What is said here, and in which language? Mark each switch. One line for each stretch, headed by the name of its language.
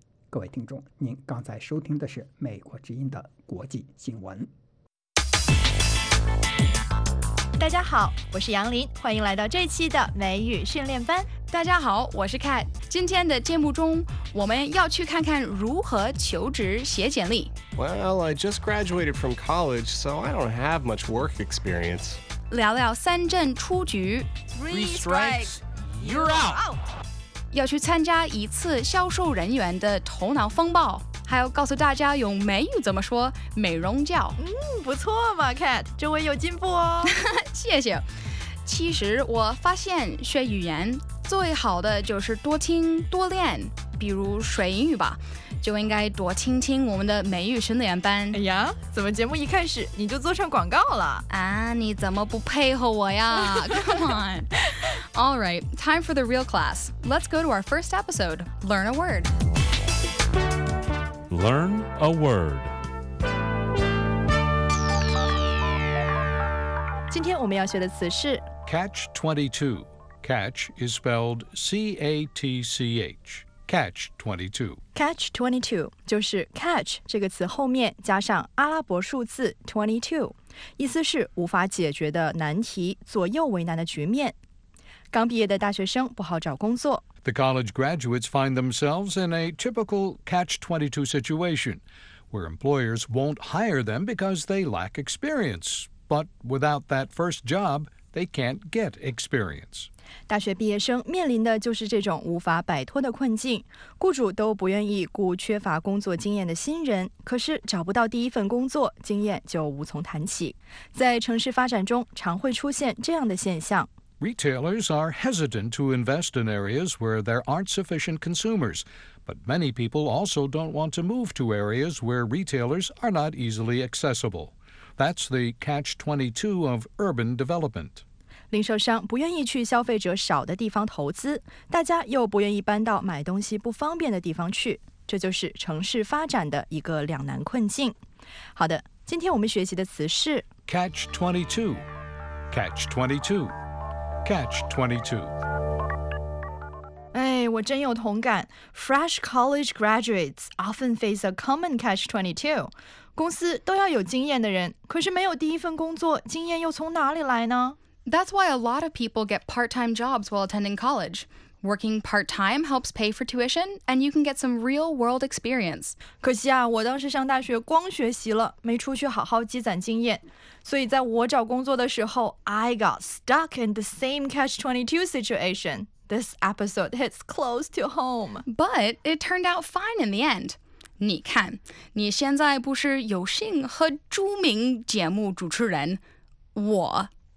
Chinese: 各位听众，您刚才收听的是《美国之音》的国际新闻。大家好，我是杨林，欢迎来到这期的美语训练班。大家好，我是 Kat。今天的节目中，我们要去看看如何求职写简历。
English: Well, I just graduated from college, so I don't have much work experience.
Chinese: 聊聊三振出局。
English: Three strikes, you're out.
Chinese: 要去参加一次销售人员的头脑风暴，还要告诉大家用美语怎么说美容觉。嗯，不错嘛 Kat, 周围有进步哦。谢谢。其实我发现学语言最好的就是多听多练，比如学英语吧，就应该多听听我们的美语训练班。哎呀，怎么节目一开始你就做上广告了啊？你怎么不配合我呀？
English: Come on. All right, time for the real class. Let's go to our first episode. Learn a word. Learn a word.
Chinese: 今天我们要学的词是
English: Catch 22. Catch is spelled C-A-T-C-H. Catch 22.
Chinese: Catch 22就是 catch 这个词后面加上阿拉伯数字22，意思是无法解决的难题，左右为难的局面。刚毕业的大学生不好找工作。
English: The college graduates find themselves in a typical catch 22 situation, where employers won't hire them because they lack experience. But without that first job, they can't get experience.
Chinese: 大学毕业生面临的就是这种无法摆脱的困境，雇主都不愿意雇缺乏工作经验的新人，可是找不到第一份工作，经验就无从谈起。在城市发展中，常会出现这样的现象。
English: Retailers are hesitant to invest in areas where there aren't sufficient consumers, but many people also don't want to move to areas where retailers are not easily accessible. That's the catch-22 of urban development.
Chinese: 零售商不愿意去消费者少的地方投资，大家又不愿意搬到买东西不方便的地方去，这就是城市发展的一个两难困境。好的，今天我们学习的词是
English: Catch 22, Catch 22, Catch
Chinese: 22。 哎，我真有同感。
English: Fresh college graduates often face a common catch 22。
Chinese: 公司都要有经验的人，可是没有第一份工作，经验又从哪里来呢？
English: That's why a lot of people get part-time jobs while attending college. Working part-time helps pay for tuition, and you can get some real-world experience.
Chinese: 可惜啊，我当时上大学光学习了，没出去好好积攒经验。所以在我找工作的时候
English: ，I got stuck in the same catch-22 situation. This episode hits close to home. But it turned out fine in the end.
Chinese: 你看，你现在不是有幸和著名节目主持人，我。